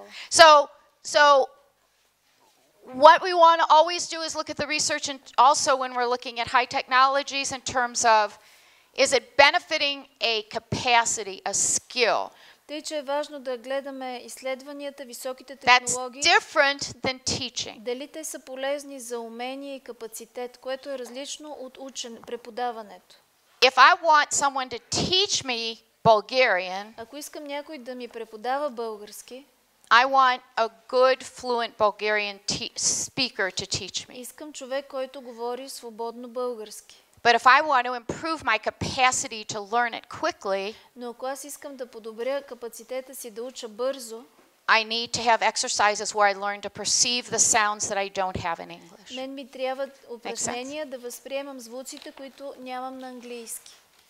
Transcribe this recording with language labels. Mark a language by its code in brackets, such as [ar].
[en] So, what we want to always do is look at the research and also when we're looking at high technologies in terms of is it benefiting a capacity, a skill? [bg] Тъй, че е важно да гледаме изследванията, високите технологии. [en] That's different than teaching. [bg] Дали те са полезни за умение и капацитет, което е различно от учене, преподаването. [en] If I want someone to teach me Bulgarian, [bg] ако искам някой да ми преподава български, [en] I want a good fluent Bulgarian speaker to teach me. [bg] Искам човек, който говори свободно български. [en] But if I want to improve my capacity to learn it quickly, [bg] но ако аз искам да подобря капацитета си да уча бързо, [en] I need to have exercises where I learn to perceive the sounds that I don't have in English. [bg] Мен ми трябва упражнения да възприемам звуците, които нямам на английски.